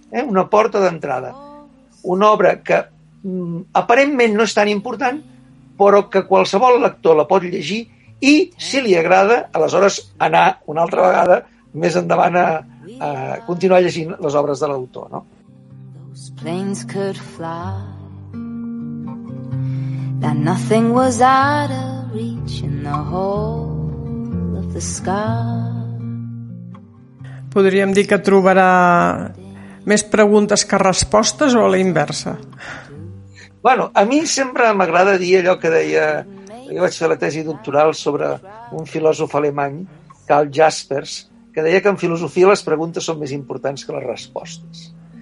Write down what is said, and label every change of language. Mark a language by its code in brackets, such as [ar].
[ca] Una porta d'entrada. Una obra que aparentment no és tan important, però que qualsevol lector la pot llegir i, si li agrada, aleshores anar una altra vegada més endavant a continuar llegint les obres de l'autor, no? [en] Those planes could fly, that nothing was out of reach in the whole of the sky. [ca] Podríem dir que trobarà més preguntes que respostes o a la inversa? Bueno, a mi sempre m'agrada dir allò que deia... Jo vaig fer la tesi doctoral sobre un filòsof alemany, Karl Jaspers, que deia que en filosofia les preguntes són més importants que les respostes.